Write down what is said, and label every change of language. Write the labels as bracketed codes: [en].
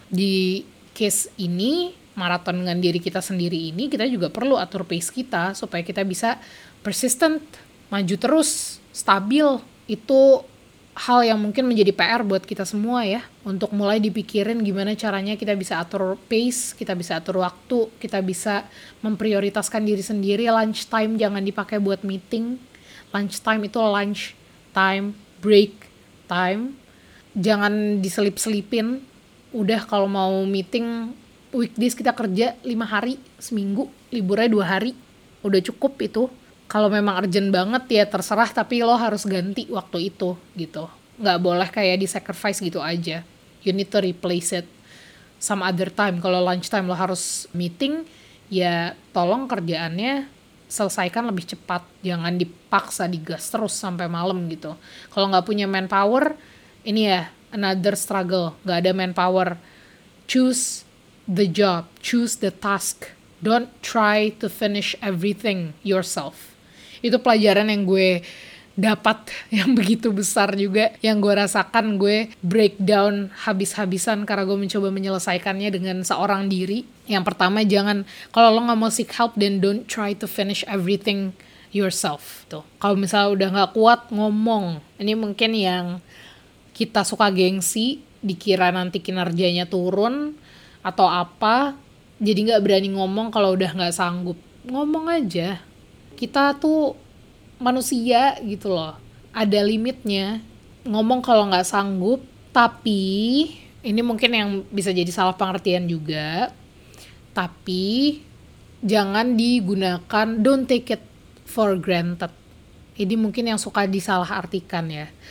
[id] Di case ini, maraton dengan diri kita sendiri ini, kita juga perlu atur pace kita supaya kita bisa persistent, maju terus, stabil. Itu hal yang mungkin menjadi PR buat kita semua ya. Untuk mulai dipikirin gimana caranya kita bisa atur pace, kita bisa atur waktu, kita bisa memprioritaskan diri sendiri. Lunch time jangan dipakai buat meeting. Lunch time itu lunch time, break time. Jangan diselip-selipin. Udah kalau mau meeting, weekdays kita kerja 5 hari seminggu, liburnya 2 hari. Udah cukup itu. Kalau memang urgent banget ya terserah, tapi lo harus ganti waktu itu gitu. Gak boleh kayak di-sacrifice gitu aja. [en] You need to replace it some other time. [id] Kalau lunch time lo harus meeting, ya tolong kerjaannya selesaikan lebih cepat. Jangan dipaksa digas terus sampai malam gitu. Kalau gak punya manpower, ini ya [en] another struggle. [id] Gak ada manpower. [en] Choose the job, choose the task. Don't try to finish everything yourself. [id] Itu pelajaran yang gue dapat yang begitu besar juga. Yang gue rasakan, gue breakdown habis-habisan karena gue mencoba menyelesaikannya dengan seorang diri. Yang pertama, jangan, kalau lo gak mau [en] seek help, then don't try to finish everything yourself. Tuh. [id] Kalau misalnya udah gak kuat, ngomong. Ini mungkin yang kita suka gengsi, dikira nanti kinerjanya turun, atau apa, jadi gak berani ngomong kalau udah gak sanggup. Ngomong aja. Kita tuh manusia gitu loh. Ada limitnya. Ngomong kalau gak sanggup, tapi ini mungkin yang bisa jadi salah pengertian juga. Tapi jangan digunakan, [en] don't take it for granted. [id] Ini mungkin yang suka disalahartikan ya.